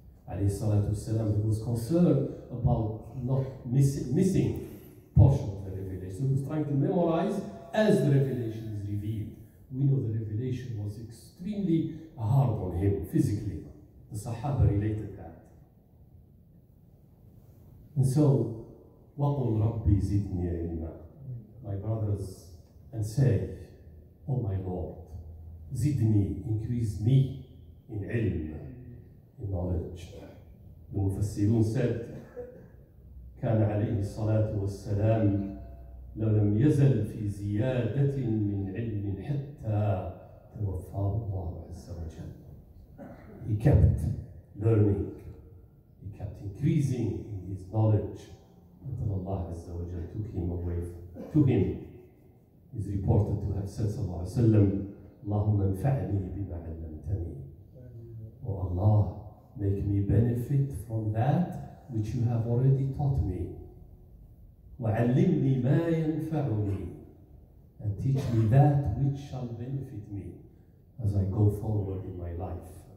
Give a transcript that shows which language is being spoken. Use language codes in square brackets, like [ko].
[en] Alayhi salatu wasalam, he was concerned about not missing portion of the revelation. He was trying to memorize as the revelation is revealed We know the revelation was extremely hard on him physically. The Sahaba related that. And so, [ar] وَقُلْ رَبِّي زِدْنِي عِلْمًا. [en] My brothers, and say, O my Lord, زِدْنِي, increase me in ilm, in knowledge. The Mufassirun said, [ar] كان عليه الصلاة والسلام لو لم يزل في زيادة من علم حتى توفاه الله عز وجل. [en] He kept learning. He kept increasing in his knowledge until Allah عز وجل took him away to him. He's reported to have said [ar] صلى الله عليه وسلم, اللهم انفعني بما علمتني. [en] Oh Allah, make me benefit from that which you have already taught me. [ar] وَعَلِّمْنِي مَا يَنْفَعُنِي. [en] And teach me that which shall benefit me as I go forward in my life.